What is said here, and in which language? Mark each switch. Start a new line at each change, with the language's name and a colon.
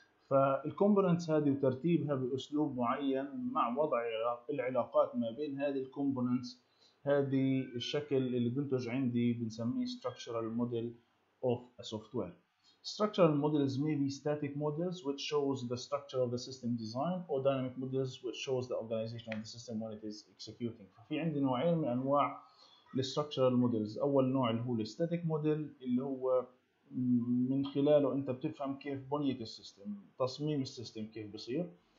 Arabic: فالكومبوننت هذه وترتيبها بأسلوب معين مع وضع العلاقات ما بين هذه الكومبوننت، هذه الشكل اللي بنتج عندي بنسميه
English: structural model of a software. Structural models may be static models which shows the structure of the system design or dynamic models which shows the organization of the system when it is executing.
Arabic: ففي عندي نوعين من أنواع structural models. أول نوع اللي هو static model اللي هو من خلاله أنت بتفهم كيف بنية السيستم، تصميم السيستم كيف بصير.